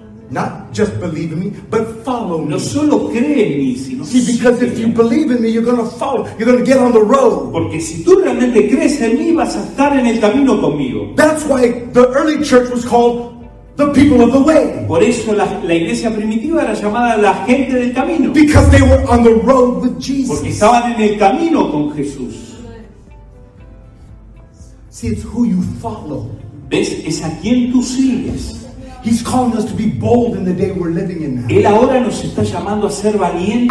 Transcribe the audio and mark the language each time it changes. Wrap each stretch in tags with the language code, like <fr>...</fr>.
<en>Not just believe in me, but follow me.</en> <es>No solo cree en mí, sino sígueme.</es> <en>Because if you believe in me, you're going to follow. You're going to get on the road.</en> <es>Porque si tú realmente crees en mí, vas a estar en el camino conmigo.</es> <en>That's why the early church was called the people of the way.</en> <es>Por eso la iglesia primitiva era llamada la gente del camino.</es> <en>Because they were on the road with Jesus.</en> <es>Porque estaban en el camino con Jesús.</es> <en>See, it's who you follow.</en> <es>¿Ves? Es a quien tú sigues.</es> <en>He's calling us to be bold in the day we're living in now.</en> <es>Él ahora nos está llamando a ser valientes.</es>